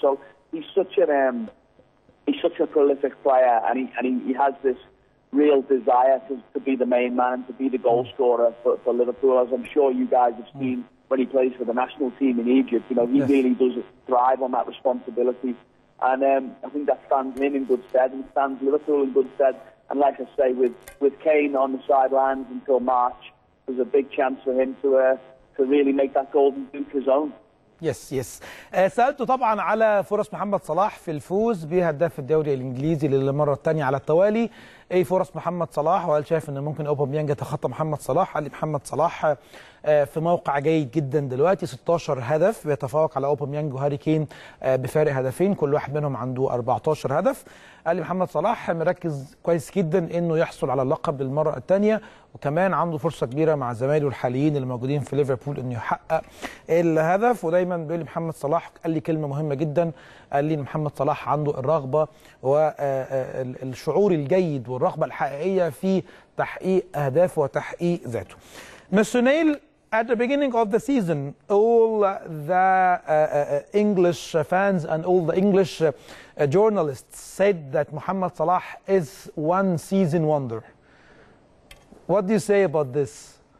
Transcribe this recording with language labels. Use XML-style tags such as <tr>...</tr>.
<en>So he's such a prolific player and he has this real desire to be the main man, to be the goal scorer for Liverpool, as I'm sure you guys have seen when he plays for the national team in Egypt. You know, he really does thrive on that responsibility. And I think that stands him in good stead and stands Liverpool in good stead. And like I say, with Kane on the sidelines until March, there's a big chance for him to really make that golden boot his own. Yes.</en> <ar>سألته طبعا على فرص محمد صلاح في الفوز بهداف الدوري الانجليزي للمره الثانيه على التوالي، اي فرص محمد صلاح؟ وقال شايف ان ممكن اوباميانج يتخطى محمد صلاح. قال لي محمد صلاح في موقع جيد جدا دلوقتي، 16 هدف بيتفوق على اوباميانج وهاري كين بفارق هدفين، كل واحد منهم عنده 14 هدف. قال لي محمد صلاح مركز كويس جدا انه يحصل على اللقب للمره الثانيه، وكمان عنده فرصه كبيره مع زمايله الحاليين اللي موجودين في ليفربول انه يحقق الهدف. ودايما بيقول لي محمد صلاح، قال لي كلمه مهمه جدا، قال لي محمد صلاح عنده الرغبه والشعور الجيد والرغبة الحقيقية في تحقيق أهدافه وتحقيق ذاته.</ar> <en>Mr. Neil, at the beginning of the season, all the English fans and all the English journalists said that Mohamed Salah is one season wonder. What do you say about this?</en>